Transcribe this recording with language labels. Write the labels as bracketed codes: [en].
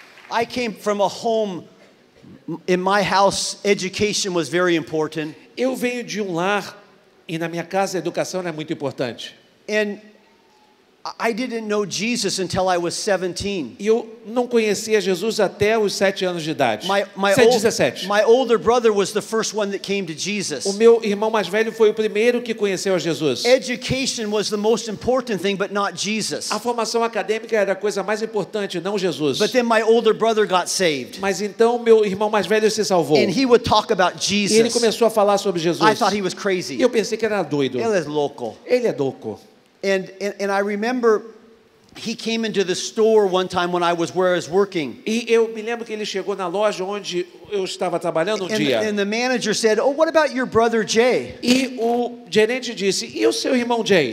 [en] I came from a home, in my house, education was very important. [pt] Eu venho de lar, e na minha casa a educação era muito importante. [en] And I didn't know Jesus until I was 17. [pt] Eu não conhecia Jesus até os 7 anos de idade. [en] My older brother was the first one that came to Jesus. [pt] O meu irmão mais velho foi o primeiro que conheceu a Jesus. [en] Education was the most important thing, but not Jesus. [pt] A formação acadêmica era a coisa mais importante, não Jesus. [en] But then my older brother got saved. [pt] Mas então meu irmão mais velho se salvou. [en] And he would talk about Jesus. [pt] E ele começou a falar sobre Jesus. [en] I thought he was crazy. [pt] Eu pensei que era doido. Ele é louco. Ele é louco. [en] And I remember he came into the store one time when I was where I was working. [pt] E eu me lembro que ele chegou na loja onde eu estava trabalhando um dia. [en] And the manager said, "Oh, what about your brother Jay?" [pt] E o gerente disse, "E o seu irmão Jay?"